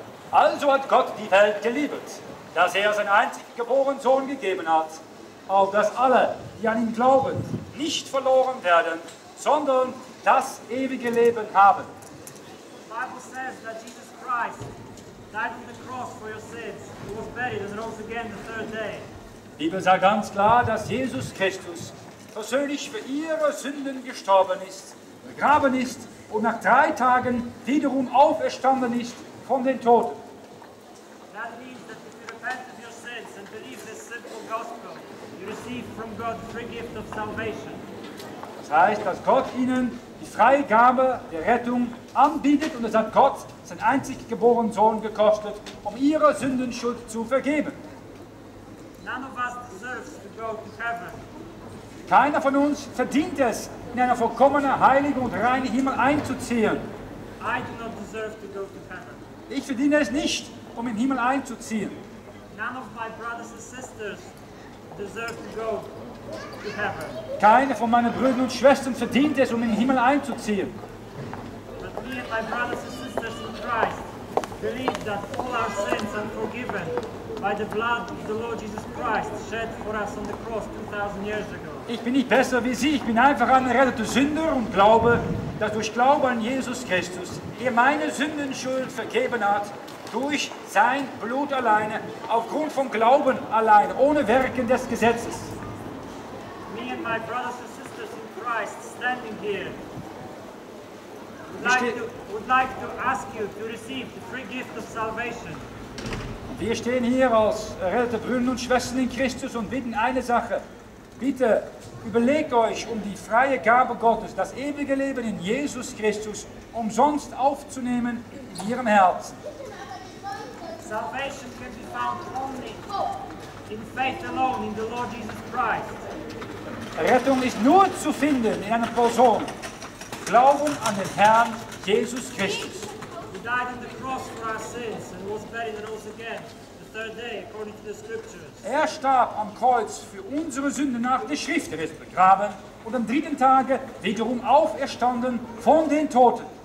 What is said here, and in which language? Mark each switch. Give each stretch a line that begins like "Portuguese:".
German: Also hat Gott die Welt geliebt, dass er seinen einzig geborenen Sohn gegeben hat, auf dass alle, die an ihn glauben, nicht verloren werden, sondern das ewige Leben haben.
English: The Bible says that Jesus Christ died on the cross for your sins, he was buried and rose again the third day.
German: Die Bibel sagt ganz klar, dass Jesus Christus persönlich für ihre Sünden gestorben ist, begraben ist, und nach drei Tagen wiederum auferstanden ist von den Toten.
English: That means that if you repent of your sins and believe this simple gospel, you receive from God the free gift of salvation.
German: Das heißt, dass Gott ihnen die Freigabe der Rettung anbietet, und es hat Gott seinen einzig geborenen Sohn gekostet, um ihre Sündenschuld zu vergeben.
English: None of us deserves to go to heaven.
German: Keiner von uns verdient es, in eine vollkommene, heilige und reine Himmel einzuziehen.
English: I do not deserve to go to heaven.
German: Ich verdiene es nicht, um in den Himmel einzuziehen.
English: None of my brothers and sisters deserve to go to heaven.
German: Keine von meinen Brüdern und Schwestern verdient es, um in den Himmel einzuziehen.
English: But me and my brothers and sisters in Christ believe that all our sins are forgiven by the blood of the Lord Jesus Christ shed for us on the cross 2000 years ago.
German: Ich bin nicht besser wie Sie, ich bin einfach ein erretteter Sünder und glaube, dass durch Glaube an Jesus Christus er meine Sündenschuld vergeben hat, durch sein Blut alleine, aufgrund von Glauben allein, ohne Werken des Gesetzes.
English: Me and my brothers and sisters in Christ standing here would like to ask you to receive the free gift of salvation.
German: Wir stehen hier als errettete Brüder und Schwestern in Christus und bitten eine Sache. Bitte überlegt euch, um die freie Gabe Gottes, das ewige Leben in Jesus Christus, umsonst aufzunehmen in ihrem Herzen.
English: Salvation can be found only in faith alone in the Lord Jesus Christ.
German: Rettung ist nur zu finden in einer Person. Glauben an den Herrn Jesus Christus.
English: He died on the cross for our sins and was buried and rose again. Third day, according to the scriptures.
German: Er starb am Kreuz für unsere Sünde nach der Schrift, er ist begraben und am dritten Tage wiederum auferstanden von den Toten.